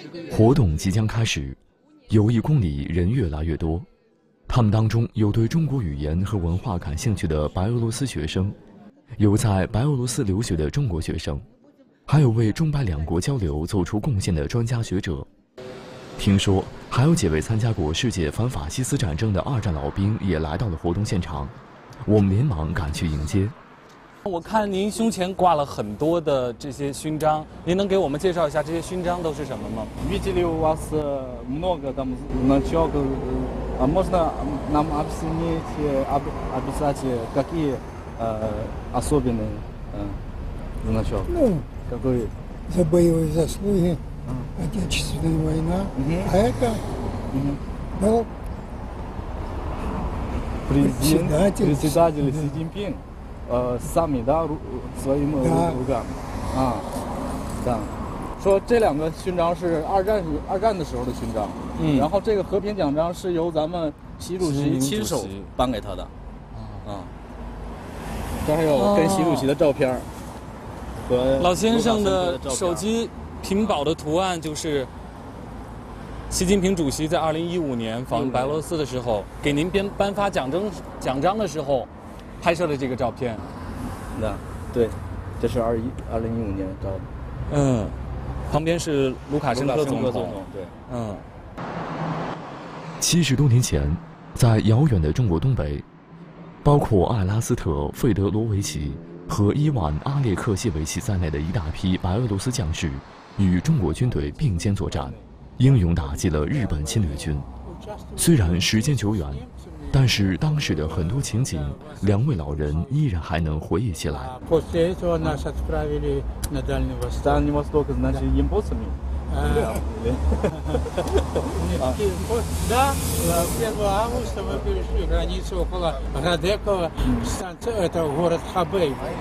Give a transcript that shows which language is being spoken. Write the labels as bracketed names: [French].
[Chinese] 活动即将开始，友谊宫里人越来越多，他们当中有对中国语言和文化感兴趣的白俄罗斯学生，有在白俄罗斯留学的中国学生，还有为中白两国交流做出贡献的专家学者。听说还有几位参加过世界反法西斯战争的二战老兵也来到了活动现场，我们连忙赶去迎接。我看您胸前挂了很多的这些勋章，您能给我们介绍一下这些勋章都是什么吗？ [Russian] Видели у вас много там начёлок, а можно нам объяснить обязательно какие особенные значок? Ну, какой? За боевые заслуги, отечественная война, а это был председатель Си Цзиньпин. Сами, да, своим рукам. А, да. [Chinese] 说这两个勋章是二战的时候的勋章。然后这个和平奖章是由咱们习主席亲手颁给他的。啊。这还有跟习主席的照片。和老先生的手机屏保的图案就是习近平主席在2015年访问白俄罗斯的时候，给您颁发奖章的时候拍摄的这个照片，那对，这是2015年照的。旁边是卢卡申科总统。对， 70多年前，在遥远的中国东北，包括艾拉斯特·费德罗维奇和伊万·阿列克谢维奇在内的一大批白俄罗斯将士，与中国军队并肩作战，英勇打击了日本侵略军。虽然时间久远，但是当时的很多情景，两位老人依然还能回忆起来。 [Russian] после этого нас отправили на Дальний Восток. Дальний Восток, значит, японцами. Да, 1 августа мы перешли границу около Радекова, это город Хабей.